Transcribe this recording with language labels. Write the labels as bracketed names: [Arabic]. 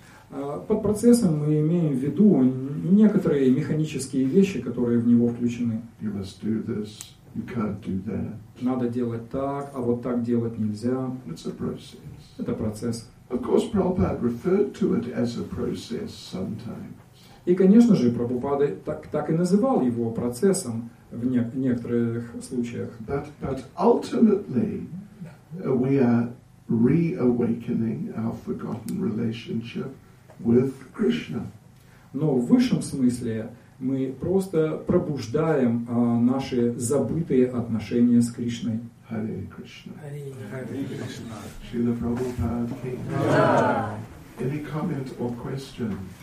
[Russian] Под процессом мы имеем в виду некоторые механические вещи, которые в него включены. [English] You must do this, you can't do that. [Russian] Надо делать так, а вот так делать нельзя. [English] It's a process. [Russian] Это процесс. [English] Of course, Prabhupada referred to it as a process sometimes. [Russian] И, конечно же, Прабхупада так и называл его процессом в некоторых случаях. [English] But ultimately, we are reawakening our forgotten relationship with Krishna. [Russian] Но в высшем смысле мы просто пробуждаем наши забытые отношения с Кришной. [English] Hare Krishna. Hare Krishna. Srila Prabhupada. Any comment or question?